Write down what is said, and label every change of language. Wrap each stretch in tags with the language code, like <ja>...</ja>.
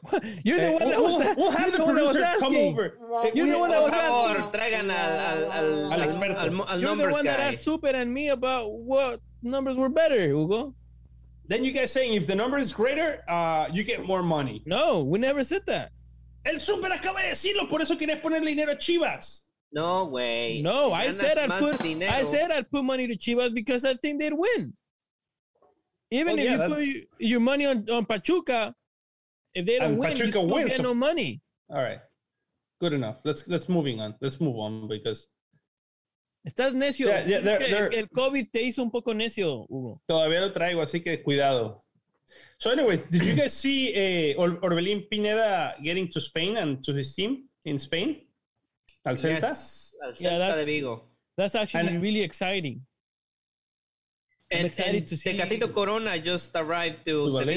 <en>what? You're the one that was. We'll have the producer come over. You're the one that was asking. Or</en> <es>traigan al experto. Al</es> <en>numbers guy. You're the one that asked Super and me about what numbers were better, Hugo. Then you guys saying if the number is greater, you get more money. No, we never said that.</en> <es>El Super acaba de decirlo, por eso quieres ponerle dinero a Chivas.</es> <en>No way. No, I said I'd put money to Chivas because I think they'd win. Even if you put your money on Pachuca, if they don't win, Pachuca you get no money. All right. Good enough. Let's moving on. Let's move on because...</en> <es>Estás necio.</es> <en>Yeah,</en> <es>el COVID te hizo un poco necio, Hugo. Todavía lo traigo, así que cuidado.</es> <en>So anyways, did you guys see Orbelín Pineda getting to Spain and to his team in Spain?</en> <es>Al Celta? Yes, al Celta de Vigo.</es> <en>That's actually really exciting. I'm excited to see. Tecatito Corona just arrived to Sevilla</en>